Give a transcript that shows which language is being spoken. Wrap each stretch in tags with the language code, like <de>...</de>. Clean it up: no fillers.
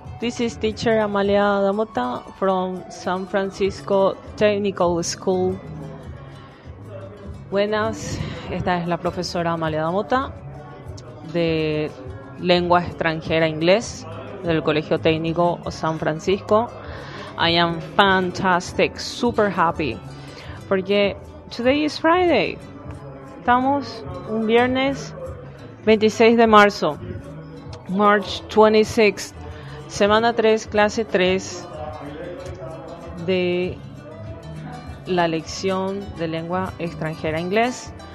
<en>This is teacher Amalia Damota from San Francisco Technical School.</en> <es>Buenas. Esta es la profesora Amalia Damota, de lengua extranjera inglés, del Colegio Técnico San Francisco.</es> <en>I am fantastic, super happy, porque today is Friday.</en> <es>Estamos un viernes 26 de marzo, March 26, semana 3, clase 3 de la lección de lengua extranjera inglés.</es>